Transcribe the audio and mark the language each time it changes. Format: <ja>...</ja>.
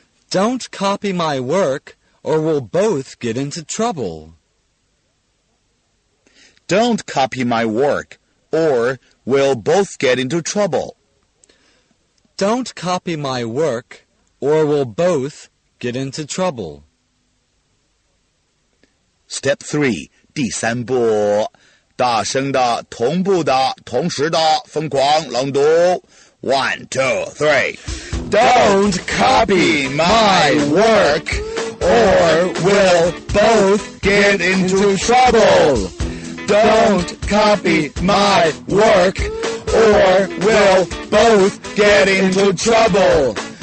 <en>Don't copy my work, or we'll both get into trouble. Don't copy my work, or we'll both get into trouble. Don't copy my work, or we'll both get into trouble. Step 3,</en> <zh>第三步，大声的，同步的，同时的，疯狂朗读。</zh> <en>One, two, three. Don't copy my work, or we'll both get into trouble. Don't copy my work, or we'll both get into trouble.</en>